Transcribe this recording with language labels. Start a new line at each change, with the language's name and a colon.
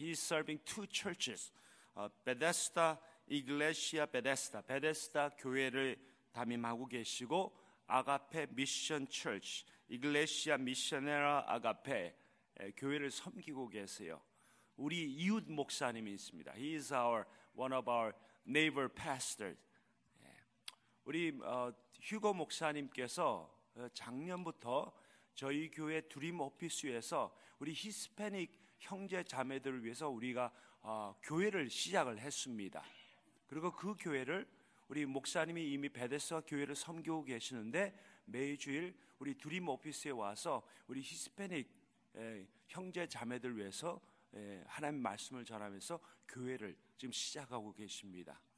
English: He is serving two churches. Bethesda Iglesia Bethesda.
Korean: Bethesda 교회를 담임하고 계시고 아가페 미션 Church, Iglesia Missionera Agape 교회를 섬기고 계세요. 우리 이웃 목사님이 있습니다.
English: He is our one of our neighbor pastors.
Korean: 우리 휴고 목사님께서 작년부터 저희 교회 드림 오피스에서 우리 히스패닉 형제 자매들을 위해서 우리가 교회를 시작을 했습니다. 그리고 그 교회를 우리 목사님이 이미 베데스다 교회를 섬기고 계시는데 매주일 우리 드림 오피스에 와서 우리 히스패닉 형제 자매들 위해서 하나님 말씀을 전하면서 교회를 지금 시작하고 계십니다.